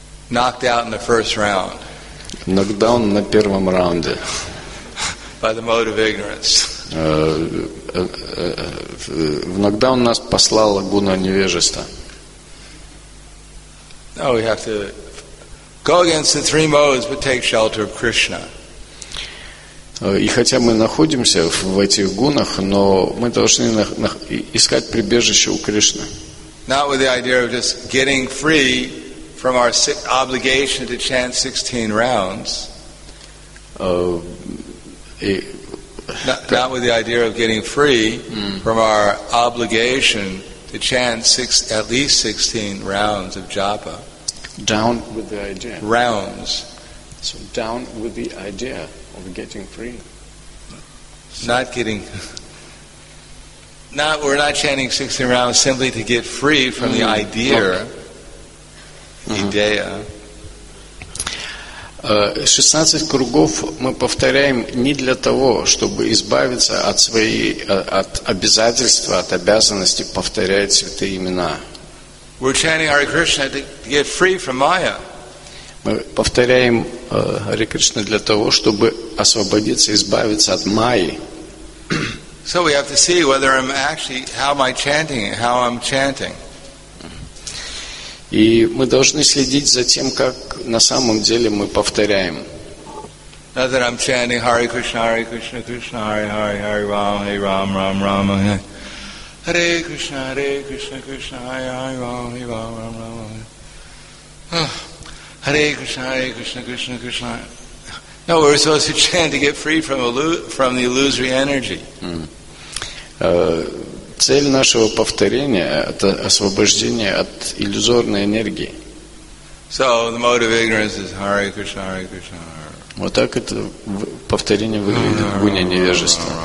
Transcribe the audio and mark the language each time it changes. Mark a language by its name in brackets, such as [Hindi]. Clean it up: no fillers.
[English] Knocked out in the first round. [Russian] Нокдаун на первом раунде. [English] By the mode of ignorance. [Russian] В нокдаун нас послала гуна невежества. [English] No, we have to go against the three modes, but take shelter of Krishna. [Russian] И хотя мы находимся в этих гунах, но мы должны искать прибежище у Кришны. [English] Not with the idea of just getting free from our obligation to chant 16 rounds. Not with the idea of getting free from our obligation to chant at least 16 rounds of japa. Down with the idea. Rounds. So down with the idea of getting free. We're not chanting 16 rounds simply to get free from the idea. Idea. [Russian] 16 кругов мы повторяем не для того, чтобы избавиться от своей, от обязательства, от обязанности повторять святые имена. [English] We're chanting Hare Krishna to get free from Maya. [Russian] Мы повторяем Hare Krishna для того, чтобы освободиться, избавиться от Майи. [English] So we have to see whether I'm actually, how am I chanting, how I'm chanting. [Russian] И мы должны следить за тем, как на самом деле мы повторяем. [English] Not that I'm chanting Hare Krishna, Hare Krishna, Krishna, Hare Hare, Hare Ram, Hare Ram, Ram Ram, Ram. [Sanskrit] Hare Krishna, Hare Krishna, Krishna, Hare Hare, Ram, Hare Ram, Ram Ram. [English] Hare Krishna, Krishna, Krishna. No, we're supposed to chant to get free from the illusory energy. [Russian] Цель нашего повторения – это освобождение от иллюзорной энергии. [English] So the mode of ignorance is Hare Krishna, Hare Krishna. [Russian] Вот так это повторение выглядит в гуне невежества.